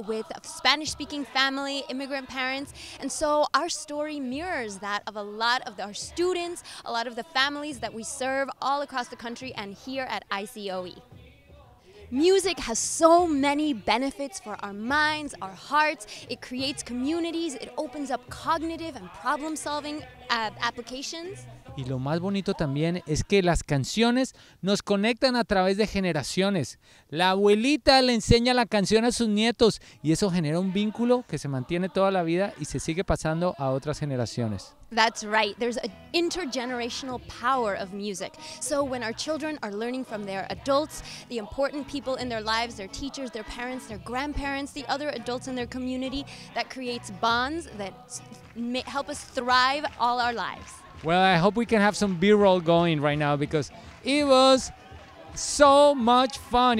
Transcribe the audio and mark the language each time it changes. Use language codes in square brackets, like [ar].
[en] with a Spanish-speaking family, immigrant parents, and so our story mirrors that of a lot of our students, a lot of the families that we serve all across the country and here at ICOE. Music has so many benefits for our minds, our hearts. It creates communities. It opens up cognitive and problem-solving applications. [es] Y lo más bonito también es que las canciones nos conectan a través de generaciones. La abuelita le enseña la canción a sus nietos y eso genera un vínculo que se mantiene toda la vida y se sigue pasando a otras generaciones. [en] That's right. There's an intergenerational power of music. So when our children are learning from their adults, the important people in their lives, their teachers, their parents, their grandparents, the other adults in their community, that creates bonds that help us thrive all our lives. Well, I hope we can have some B-roll going right now because it was so much fun.